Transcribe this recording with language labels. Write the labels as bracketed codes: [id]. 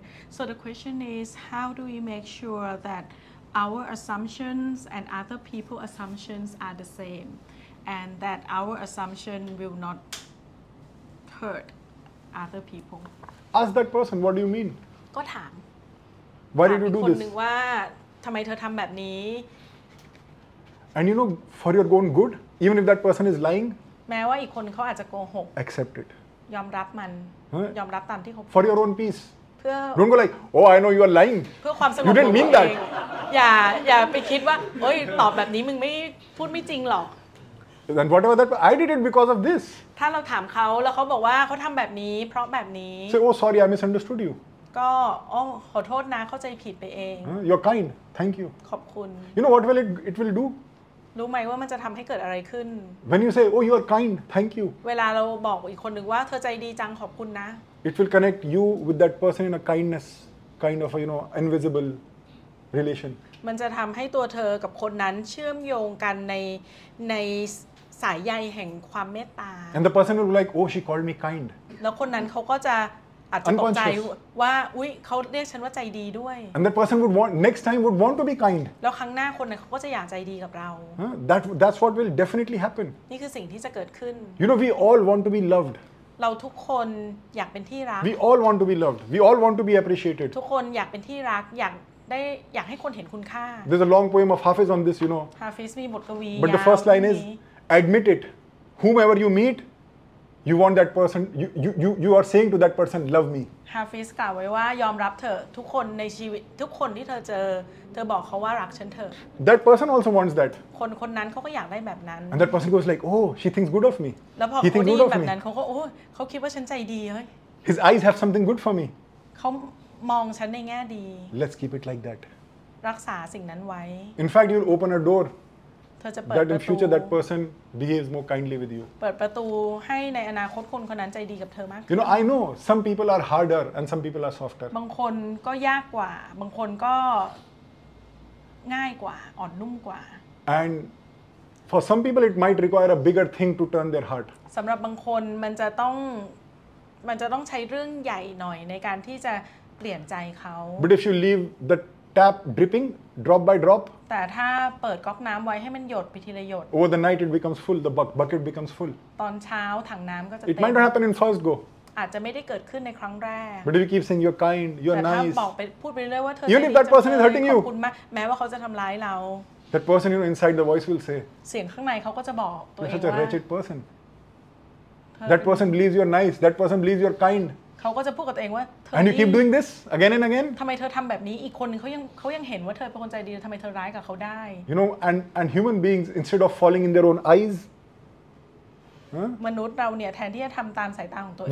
[en] So the question is, how do we make sure that our assumptions and other people's assumptions are the same, and that our assumption will not hurt other people? Ask that person, what do you mean? [th] ก็ถาม [en] Why did you do this? [th] คนนึงว่าทำไมเธอทำแบบนี้ [en] And you know, for your own good, even if that person is lying, [th] แม้ว่าอีกคนเขาอาจจะโกหก [en] Accept it. [th] ยอมรับมันยอมรับตามที่เขา [en] For your own peace. [th] เ [en] พื่อ Don't go like oh I know you are lying [th] เพื่อความสงบ [en] You didn't mean that [th] อย่าไปคิดว่าโอ้ยตอบแบบนี้มึงไม่พูดไม่จริงหรอก [en] Then whatever that I did it because of this [th] ถ้าเราถามเขาแล้วเขาบอกว่าเขาทำแบบนี้เพราะแบบนี้ [en] Say oh sorry I misunderstood you [th] ก็อ๋อขอโทษนะเข้าใจผิดไปเอง [en] You're kind thank you [th] ขอบคุณ [en] You know what will it will do [th] รู้ไหมว่ามันจะทำให้เกิดอะไรขึ้น [en] When you say oh you are kind thank you [th] เวลาเราบอกอีกคนหนึ่งว่าเธอใจดีจังขอบคุณนะ [en] It will connect you with that person in a kindness, kind of a, you know, invisible relation. [th] มันจะทำให้ตัวเธอกับคนนั้นเชื่อมโยงกันในสายใยแห่งความเมตตา [en] And the person will be like, oh, she called me kind. [th] แล้วคนนั้นเขาก็จะอาจจะตกใจว่าอุ๊ยเขาเรียกฉันว่าใจดีด้วย [en] And that person would want, next time would want to be kind. [th] แล้วครั้งหน้าคนนั้นเขาก็จะอยากใจดีกับเรา [en] That's what will definitely happen. [th] นี่คือสิ่งที่จะเกิดขึ้น [en] You know, we all want to be loved. [th] เราทุกคนอยากเป็นที่รัก [en] We all want to be loved. We all want to be appreciated. [th] ทุกคนอยากเป็นที่รักอยากได้อยากให้คนเห็นคุณค่า [en] There's a long poem of Hafiz on this, you know. [th] Hafiz มีบทกวี [en] But the first line is, admit it. Whomever you meet, you want that person. You are saying to that person, love me. [th] Hafiz กล่าวไว้ว่ายอมรับเถอะทุกคนในชีวิตทุกคนที่เธอเจอเธอบอกเขาว่ารักฉันเถอะ [en] That person also wants that. [th] คนคนนั้นเขาก็อยากได้แบบนั้น [en] And that person goes like, oh, she thinks good of me. [th] แล้วพอเขาได้แบบนั้นเขาก็โอ้เขาคิดว่าฉันใจดีเฮ้ย [en] His eyes have something good for me. [th] เขามองฉันในแง่ดี [en] Let's keep it like that. [th] รักษาสิ่งนั้นไว้ [en] In fact, you'll open a door. [th] เธอจะเปิด ประตู [en] That in future that person behaves more kindly with you. [th] เปิดประตูให้ในอนาคตคนคนนั้นใจดีกับเธอมากขึ้น [en] You know, I know some people are harder and some people are softer. [th] บางคนก็ยากกว่าบางคนก็ง่ายกว่าอ่อนนุ่มกว่า [en] And for some people it might require a bigger thing to turn their heart. [th] สำหรับบางคนมันจะต้องใช้เรื่องใหญ่หน่อยในการที่จะเปลี่ยนใจเขา [en] But if you leave the tap dripping drop by drop. [th] แต่ถ้าเปิดก๊อกน้ำไว้ให้มันหยดไปทีละหยด [en] Over the night it becomes full the bucket becomes full [th] ตอนเช้าถังน้ำก็จะเต็ม [en] It might not happen in first go [th] อาจจะไม่ได้เกิดขึ้นในครั้งแรก [en] But if you keep saying you're kind you're nice [th] แต่ถ้าบอกไปพูดไปเรื่อยว่าเธอ [en] Even if that person is hurting you [th] ขอบคุณมากแม้ว่าเขาจะทำร้ายเรา [en] That person you know inside the voice will say [th] เสียงข้างในเขาก็จะบอกตัวเองว่า [en] You're such a wretched person That person believes you're nice that person believes you're kind [th] เขาก็จะพูดกับตัวเองว่าเธอ [en] And you keep doing this again and again [th] ทำไมเธอทำแบบนี้อีกคนนึงเขายังเห็นว่าเธอเป็นคนใจดีทำไมเธอร้ายกับเขาได้ [en] You know and human beings instead of falling in their own eyes [th] มนุษย์เราเนี่ยแทนที่จะทำตามสายตาของตัวเอง